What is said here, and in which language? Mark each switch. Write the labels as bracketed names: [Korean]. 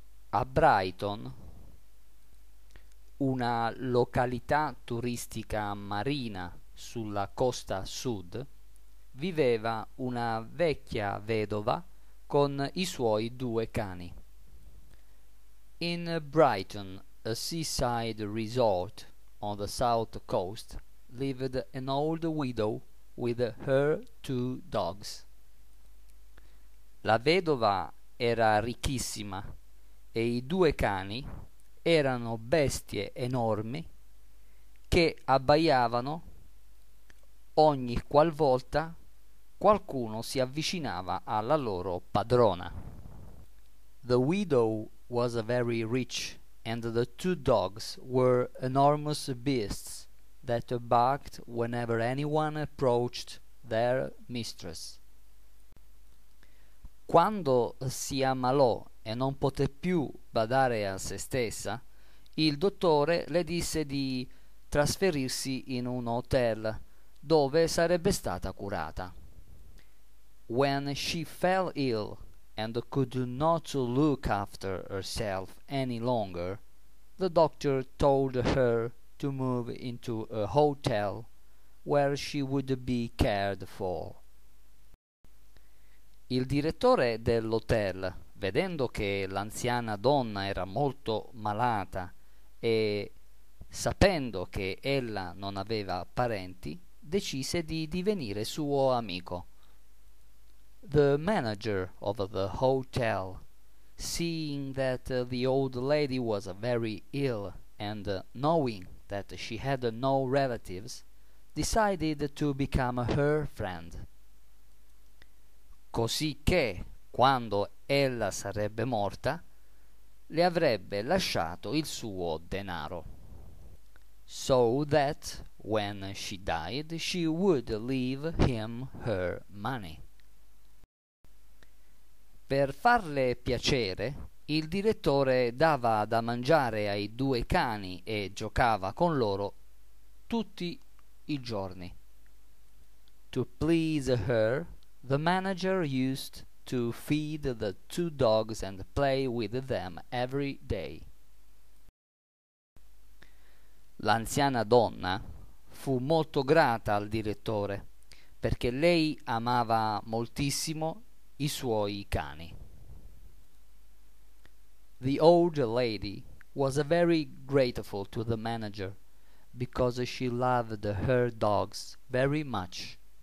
[Italian] A Brighton, una località turistica marina sulla costa sud, viveva una vecchia vedova con i suoi due cani. [English] In Brighton, a seaside resort on the south coast, lived an old widow with her two dogs. [Italian] La vedova era ricchissima e i due cani erano bestie enormi che abbaiavano ogni qualvolta qualcuno si avvicinava alla loro padrona. [English] The widow was very rich and the two dogs were enormous beasts that barked whenever anyone approached their mistress. [Italian] Quando si ammalò e non poté più badare a se stessa, il dottore le disse di trasferirsi in un hotel dove sarebbe stata curata. [English] When she fell ill and could not look after herself any longer, the doctor told her to move into a hotel where she would be cared for. [Italian] Il direttore dell'hotel, vedendo che l'anziana donna era molto malata e sapendo che ella non aveva parenti, decise di divenire suo amico. [English] The manager of the hotel, seeing that the old lady was very ill and knowing that she had no relatives, decided to become her friend. [Italian] Cosicché, quando ella sarebbe morta, le avrebbe lasciato il suo denaro. [English] So that, when she died, she would leave him her money. [Italian] Per farle piacere, il direttore dava da mangiare ai due cani e giocava con loro tutti i giorni. [English] To please her, the manager used to feed the two dogs and play with them every day. [Italian] L'anziana donna fu molto grata al direttore perché lei amava moltissimo i suoi cani. [English] The old lady was very grateful to the manager because she loved her dogs very much.